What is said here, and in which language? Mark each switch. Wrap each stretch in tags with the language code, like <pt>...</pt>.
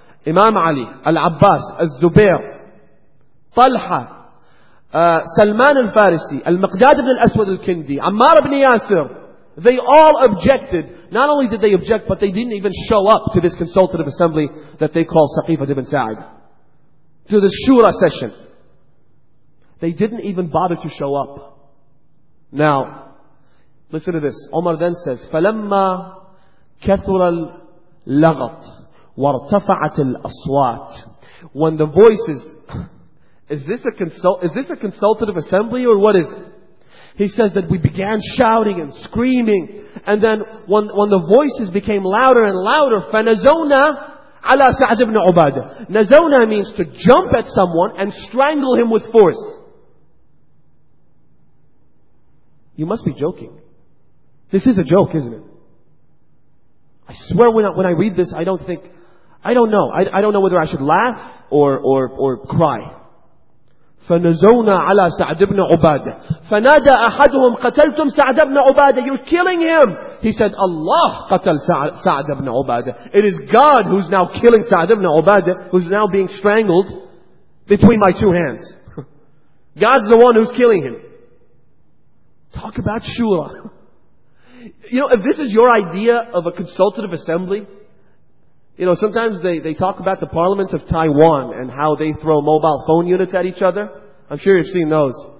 <en>Imam Ali, Al-Abbas, Al-Zubayr, Talha, Salman al-Farisi, Al-Miqdad ibn al-Aswad al-Kindi, Ammar ibn Yasir, they all objected. Not only did they object, but they didn't even show up to this consultative assembly that they call Saqifah ibn Sa'd, to the Shura session. They didn't even bother to show up. Now, listen to this. Umar then says,</en> <ar>فَلَمَّا كَثُرَ الْلَغَطْ وَارْتَفَعَتِ الْأَصْوَاتِ.</ar> <en>When the voices... Is this a consultative assembly or what is it? He says that we began shouting and screaming, and then when the voices became louder and louder,</en> <ar>فَنَزَوْنَا عَلَىٰ سَعْدِ بْنِ عُبَادَ.</ar> <en>Nazona means to jump at someone and strangle him with force. You must be joking. This is a joke, isn't it? I swear when I read this, I don't know whether I should laugh or cry.</en> <ar>فَنَزَوْنَا عَلَىٰ سَعْدِ بْنِ عُبَادَ فَنَادَ أَحَدُهُمْ قَتَلْتُمْ سَعْدَ بْنِ عُبَادَ.</ar> <en>You're killing him. He said,</en> <ar>Allah قَتَلْ سَعْدَ بْنِ عُبَادَ.</ar> <en>It is God who's now killing سَعْدَ بْنِ عُبَادَ, who's now being strangled between my two hands. God's the one who's killing him. Talk about shura. You know, if this is your idea of a consultative assembly, you know, sometimes they talk about the parliaments of Taiwan and how they throw mobile phone units at each other. I'm sure you've seen those.</en>